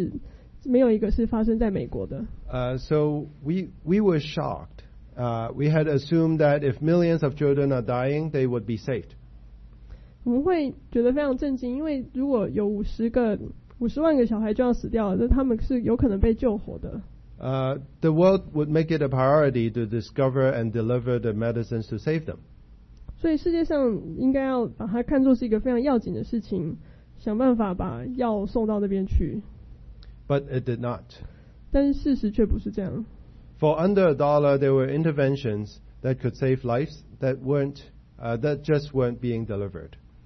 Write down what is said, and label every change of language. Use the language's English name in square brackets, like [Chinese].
[Chinese] 所以这些病包含了麻疹、痢疾、肺炎、B型肝炎还有黄热病，还有一种大家几乎没有听过叫做轮状病毒，这一年会杀死将近50万的非洲的小孩，但是没有一个是发生在美国的。 [English] So we were shocked. We had assumed that if millions of children are dying, they would be saved. [Chinese] 我們會覺得非常震驚,因為如果有50萬個小孩就要死掉了,那他們是有可能被救活的。 [English] The world would make it a priority to discover and deliver the medicines to save them. [Chinese] 所以世界上應該要把它看作是一個非常要緊的事情,想辦法把藥送到那邊去。 [English] But it did not. [Chinese] 但事實卻不是這樣。 [English] For under a dollar, there were interventions that could save lives that just weren't being delivered.